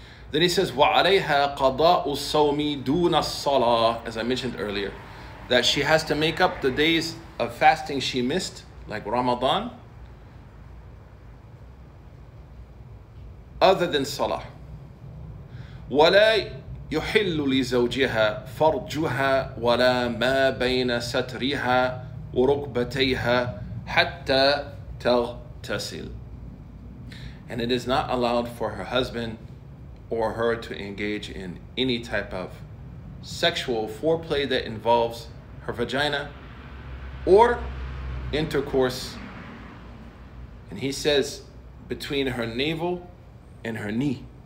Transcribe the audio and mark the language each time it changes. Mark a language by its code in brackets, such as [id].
[en] Then he says, [ar] وَعَلَيْهَا قَضَاءُ الصَّوْمِ دُونَ الصَّلَاةِ, [en] as I mentioned earlier, that she has to make up the days of fasting she missed, like Ramadan, other than salah. [ar] وَلَا يحل لزوجها فرجها ولا ما بين سترها وركبتيها حتى تغتسل. [en] And it is not allowed for her husband or her to engage in any type of sexual foreplay that involves her vagina or intercourse. And he says between her navel and her knee.